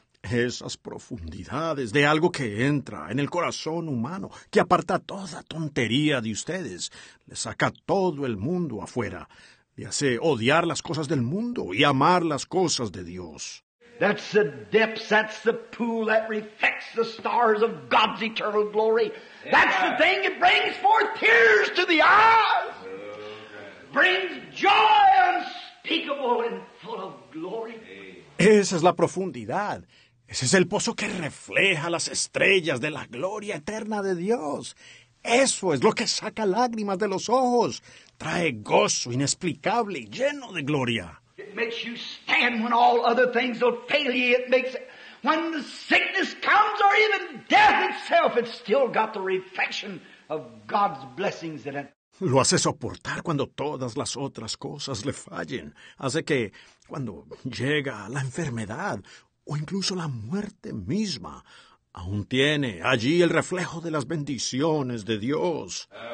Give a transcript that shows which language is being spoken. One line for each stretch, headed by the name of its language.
Spanish: Esas profundidades de algo que entra en el corazón humano, que aparta toda tontería de ustedes. Le saca todo el mundo afuera. Y hace odiar las cosas del mundo y amar las cosas de Dios.
English: That's the depths, that's the pool that reflects the stars of God's eternal glory. That's the thing that brings forth tears to the eyes. Brings joy unspeakable and full of glory.
Spanish: Esa es la profundidad. Ese es el pozo que refleja las estrellas de la gloria eterna de Dios. Eso es lo que saca lágrimas de los ojos. Trae gozo inexplicable y lleno de gloria.
English: It makes you stand when all other things will fail you. It makes it, when the sickness comes or even death itself, it's still got the reflection of God's blessings in it.
Spanish: Lo hace soportar cuando todas las otras cosas le fallen. Hace que cuando llega la enfermedad o incluso la muerte misma, aún tiene allí el reflejo de las bendiciones de Dios.